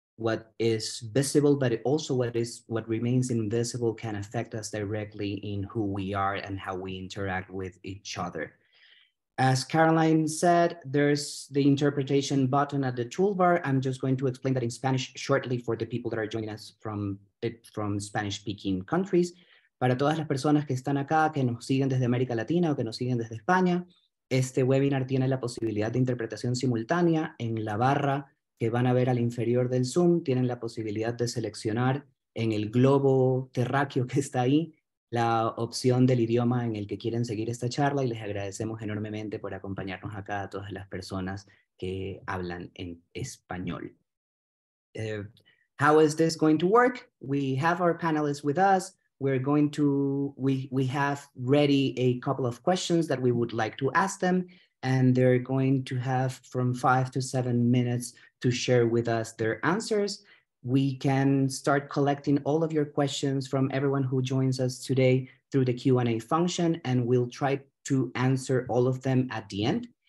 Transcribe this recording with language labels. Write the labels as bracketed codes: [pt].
[en] What is visible, but it also what remains invisible can affect us directly in who we are and how we interact with each other. As Caroline said, there's the interpretation button at the toolbar. I'm just going to explain that in Spanish shortly for the people that are joining us from Spanish-speaking countries. [es] Para todas las personas que están acá, que nos siguen desde América Latina o que nos siguen desde España, este webinar tiene la posibilidad de interpretación simultánea. En la barra que van a ver al inferior del Zoom, tienen la posibilidad de seleccionar en el globo terráqueo que está ahí la opción del idioma en el que quieren seguir esta charla, y les agradecemos enormemente por acompañarnos acá a todas las personas que hablan en español. [en] How is this going to work? We have our panelists with us. We have ready a couple of questions that we would like to ask them, and they're going to have from 5 to 7 minutes to share with us their answers. We can start collecting all of your questions from everyone who joins us today through the Q&A function, and we'll try to answer all of them at the end.